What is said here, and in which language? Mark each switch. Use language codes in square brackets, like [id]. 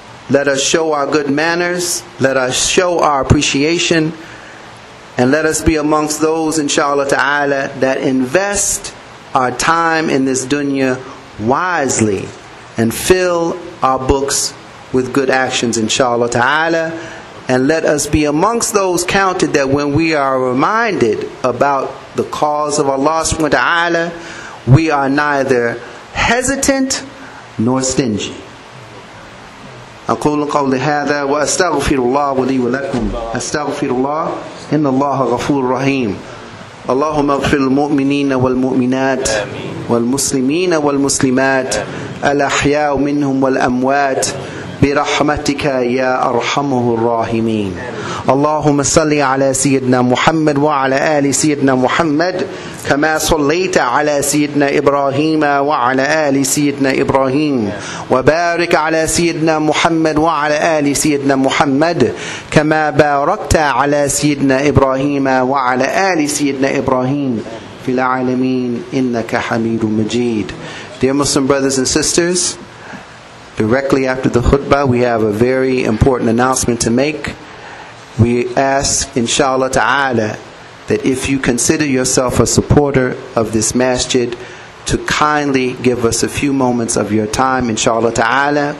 [en] Let us show our good manners, let us show our appreciation, and let us be amongst those, inshallah ta'ala, that invest our time in this dunya wisely and fill our books with good actions, inshallah ta'ala. And let us be amongst those counted that when we are reminded about the cause of Allah subhanahu wa ta'ala, we are neither hesitant nor stingy. [ar] أقول قولي هذا وأستغفر الله لي ولكم أستغفر الله إن الله غفور رحيم اللهم اغفر المؤمنين والمؤمنات والمسلمين والمسلمات الأحياء منهم والأموات برحمتك يا أرحم الراحمين اللهم صل على سيدنا محمد وعلى آل سيدنا محمد كما صليت على سيدنا إبراهيم وعلى آل سيدنا إبراهيم وبارك على سيدنا محمد وعلى آل سيدنا محمد كما باركت على سيدنا إبراهيم وعلى آل سيدنا إبراهيم في العالمين إنك حميد مجيد. [en] Dear Muslim brothers and sisters, directly after the khutbah, we have a very important announcement to make. We ask, inshallah ta'ala, that if you consider yourself a supporter of this masjid, to kindly give us a few moments of your time, inshallah ta'ala.